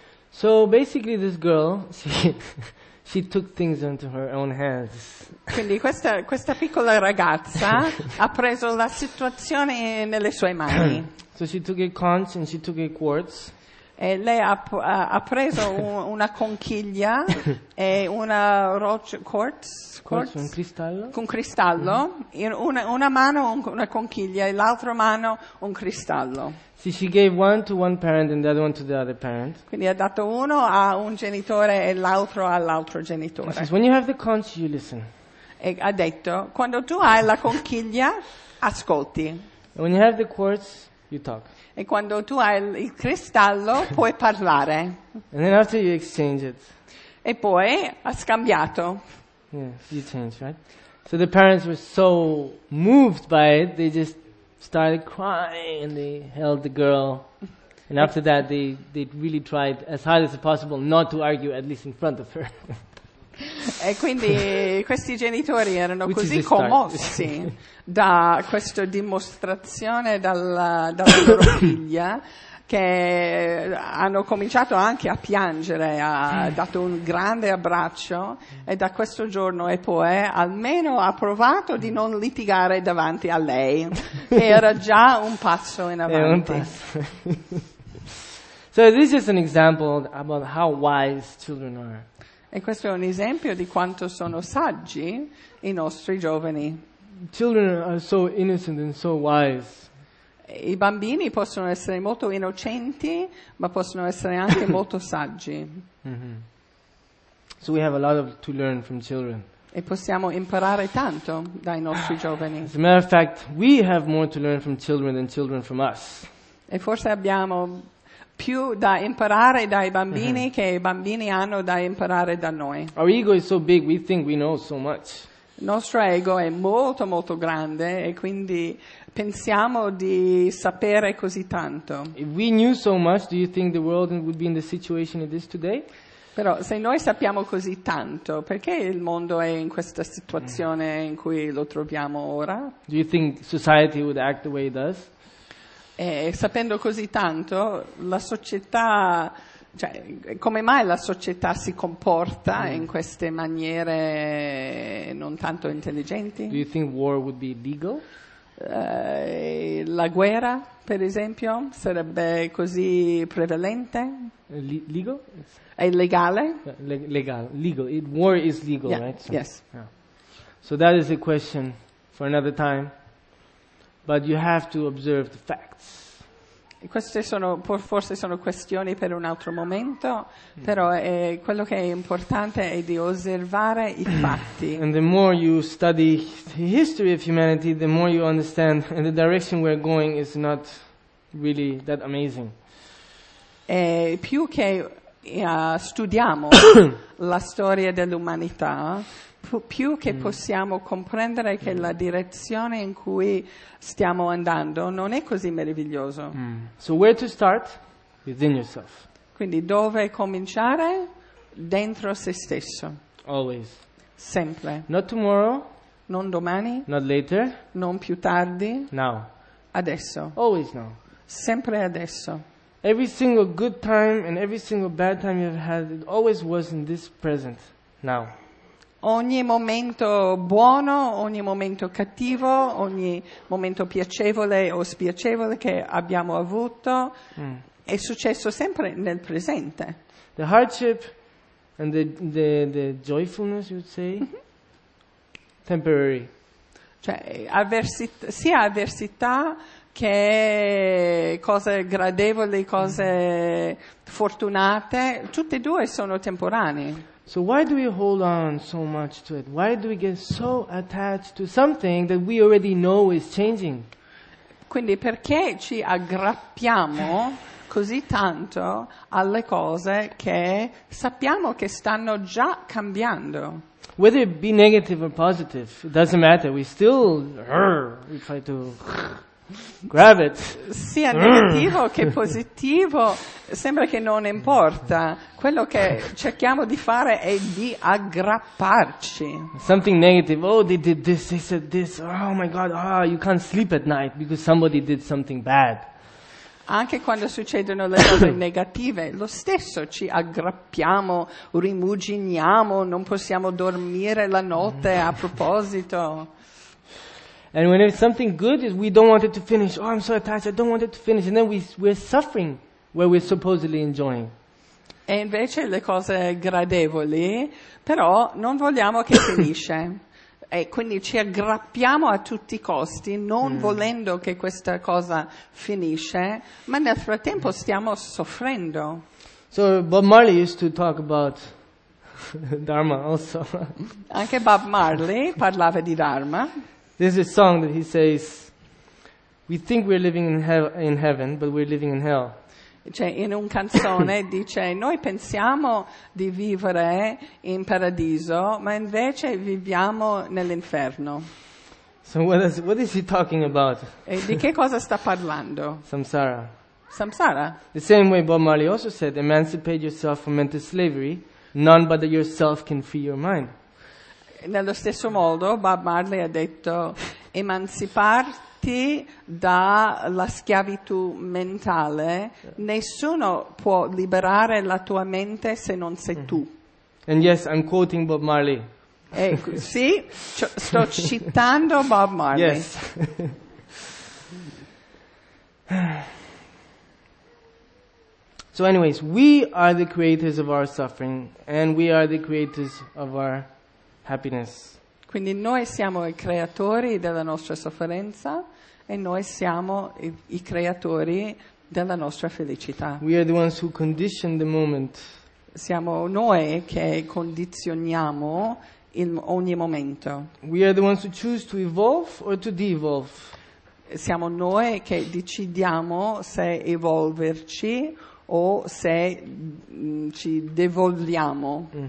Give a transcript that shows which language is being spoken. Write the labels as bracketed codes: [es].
[en] So basically this girl, she took things into her own hands. [it] Quindi questa piccola ragazza ha preso la situazione nelle sue mani. [en] So she took a conch and she took a quartz. [it] E lei ha preso una conchiglia e una roccia quartz un cristallo. Con cristallo, in una mano una conchiglia e l'altra mano un cristallo. [en] See, she gave one to one parent and the other one to the other parent. [it] Quindi ha dato uno a un genitore e l'altro all'altro genitore. [en] She says, when you have the conch, you listen. [it] E ha detto, quando tu hai la conchiglia, ascolti. [en] And when you have the quartz, you talk. [it] E quando tu hai il cristallo, puoi parlare. [en] And then after you exchange it. [it] E poi ha scambiato. [en] Yes, you change, right? So the parents were so moved by it, they just started crying and they held the girl. And after that, they really tried as hard as possible not to argue, at least in front of her. [it] E quindi questi genitori erano così commossi da questa dimostrazione dalla loro figlia che hanno cominciato anche a piangere, ha dato un grande abbraccio e da questo giorno e poi almeno ha provato di non litigare davanti a lei, che era già un passo in avanti. [en] So this is an example about how wise children are. [it] E questo è un esempio di quanto sono saggi i nostri giovani. [en] Children are so innocent and so wise. [it] I bambini possono essere molto innocenti, ma possono essere anche molto saggi. Mm-hmm. [en] So we have a lot of to learn from children. [it] E possiamo imparare tanto dai nostri giovani. [en] As a matter of fact, we have more to learn from children than children from us. [it] E forse abbiamo più da imparare dai bambini che i bambini hanno da imparare da noi. [en] Our ego is so big, we think we know so much. [it] Il nostro ego è molto molto grande e quindi pensiamo di sapere così tanto. [en] If we knew so much, do you think the world would be in the situation it is today? [it] Però se noi sappiamo così tanto, perché il mondo è in questa situazione in cui lo troviamo ora? [en] Do you think society would act the way it does? [it] E sapendo così tanto, la società, cioè, come mai la società si comporta in queste maniere non tanto intelligenti? [en] Do you think war would be legal? [it] La guerra, per esempio, sarebbe così prevalente? [en] Legal? [it] È legale? [en] Legal. War is legal, yeah. Right? So, yes. Yeah. So that is a question for another time. But you have to observe the facts. [it] Queste sono forse sono questioni per un altro momento, però è quello che è importante è di osservare i fatti. [en] And the more you study the history of humanity, the more you understand and the direction we're going is not really that amazing. [it] E più che studiamo la storia dell'umanità, più che possiamo comprendere che la direzione in cui stiamo andando non è così meraviglioso. [en] So where to start? Within yourself. [it] Quindi dove cominciare? Dentro se stesso. [en] Always. [it] Sempre. [en] Not tomorrow. [it] Non domani. [en] Not later. [it] Non più tardi. [en] Now. [it] Adesso. [en] Always now. [it] Sempre adesso. [en] Every single good time and every single bad time you've had, it always was in this present. Now. [it] Ogni momento buono, ogni momento cattivo, ogni momento piacevole o spiacevole che abbiamo avuto è successo sempre nel presente. [en] The hardship and the joyfulness, you would say, temporary. [it] Cioè, sia avversità che cose gradevoli, cose fortunate, tutte e due sono temporanee. [en] So why do we hold on so much to it? Why do we get so attached to something that we already know is changing? [it] Quindi perché ci aggrappiamo così tanto alle cose che sappiamo che stanno già cambiando? [en] Whether it be negative or positive, it doesn't matter. We still we try to grab it. [it] Sia negativo che positivo, sembra che non importa. Quello che cerchiamo di fare è di aggrapparci. [en] Something negative. Oh, they did this, they said this. Oh my God, oh, you can't sleep at night because somebody did something bad. [it] Anche quando succedono le cose negative, lo stesso, ci aggrappiamo, rimuginiamo, non possiamo dormire la notte a proposito. [en] And when it's something good, we don't want it to finish. Oh, I'm so attached, I don't want it to finish. And then we're suffering where we're supposedly enjoying. [it] E invece le cose gradevoli, però non vogliamo che finisce. E quindi ci aggrappiamo a tutti i costi, non volendo che questa cosa finisce, ma nel frattempo stiamo soffrendo. [en] So Bob Marley used to talk about Dharma also. [it] Anche Bob Marley parlava di Dharma. [en] This is a song that he says, "We think we're living in heaven, but we're living in hell." [it] Cioè, in un canzone dice, noi pensiamo di vivere in paradiso, ma invece viviamo nell'inferno. [en] So what is he talking about? [it] E di che cosa sta parlando? [en] Samsara. [it] Samsara? [en] The same way Bob Marley also said, emancipate yourself from mental slavery, none but yourself can free your mind. [it] Nello stesso modo Bob Marley ha detto, emanciparti dalla schiavitù mentale, nessuno può liberare la tua mente se non sei tu. [en] And yes, I'm quoting Bob Marley. [it] Sì, sto citando Bob Marley. [en] Yes. So anyways, we are the creators of our suffering and we are the creators of our happiness. [it] Quindi noi siamo i creatori della nostra sofferenza e noi siamo i creatori della nostra felicità. [en] We are the ones who condition the moment. [it] Siamo noi che condizioniamo in ogni momento. [en] We are the ones who choose to evolve or to devolve. [it] Siamo noi che decidiamo se evolverci o se ci devolviamo.